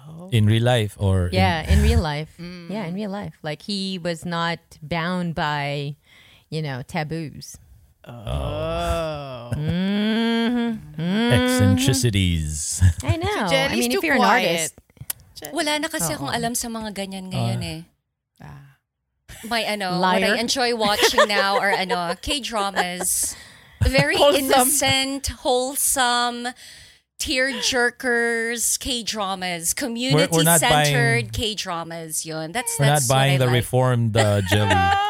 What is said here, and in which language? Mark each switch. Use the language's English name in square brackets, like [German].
[English] In real life? Or yeah, in real life. Yeah, in real life. Like he was not bound by... You know, taboos. Oh. Eccentricities. I know. So I mean, if you're quiet. An artist. [Filipino] Wala na kasi akong alam sa mga ganyan ngayon eh. [English] My, what I enjoy watching now are, K-dramas. Very wholesome. Innocent, wholesome, tear-jerkers K-dramas. Community-centered K-dramas. Yun. That's we're not buying the reformed jelly.